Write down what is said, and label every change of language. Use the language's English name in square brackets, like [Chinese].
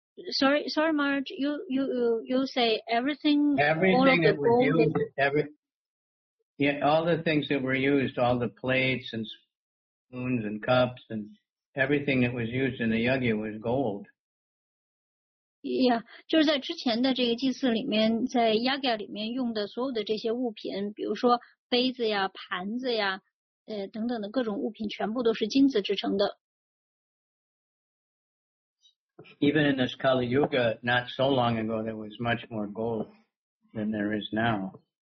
[English] Sorry, Marge. You say everything. Everything all of that the was gold used. All the things that were used, all the plates and spoons and cups and everything that was used in the yagya was gold. [Chinese] Yeah, 就是在之前的这个祭祀里面，在 yagya 里面用的所有的这些物品，比如说杯子呀、盘子呀，等等的各种物品，全部都是金子制成的。 [English] Even in this Kali Yuga, not so long ago, there was much more gold than there is now.